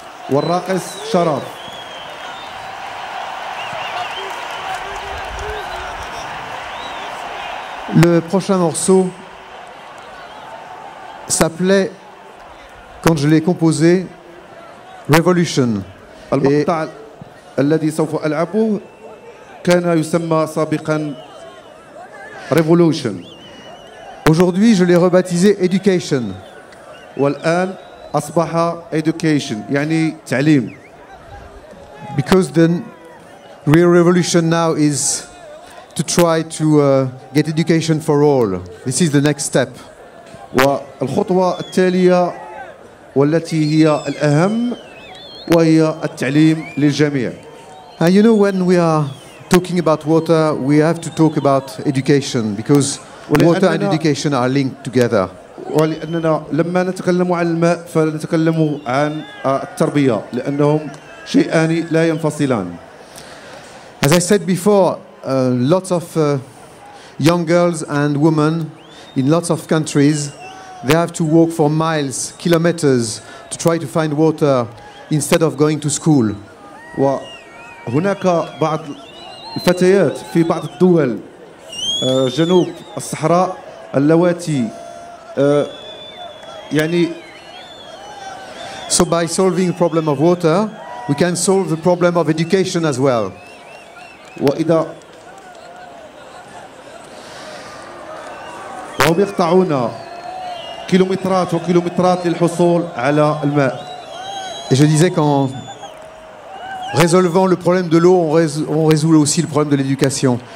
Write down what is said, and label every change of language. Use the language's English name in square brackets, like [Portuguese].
[Arabic] والراقص شرف. [French] Le prochain morceau s'appelait, quand je l'ai composé, Revolution. [Arabic] المقطع الذي سوف ألعبه كان يسمى سابقا Revolution. [French] Aujourd'hui, je l'ai rebaptisé Education. [Arabic] والآن أصبح education يعني تعليم. [English] Because the real revolution now is to try to get education for all. This is the next step. [Arabic] والخطوة التالية والتي هي الأهم وهي التعليم للجميع. [English] And you know, when we are talking about water, we have to talk about education because water and education are linked together. [Arabic] ولأننا لما نتكلم عن الماء فنتكلم عن التربية لأنهم شيئان لا ينفصلان. [English] As I said before, lots of young girls and women in lots of countries, they have to walk for miles, kilometers to try to find water instead of going to school. [Arabic] وهناك بعض الفتيات في بعض الدول جنوب الصحراء اللواتي [English] So by solving the problem of water, we can solve the problem of education as well. [Arabic] وإذا وهم يقطعون كيلومترات وكيلومترات للحصول على الماء. [French] Et je disais qu'en résolvant le problème de l'eau, on résout aussi le problème de l'éducation.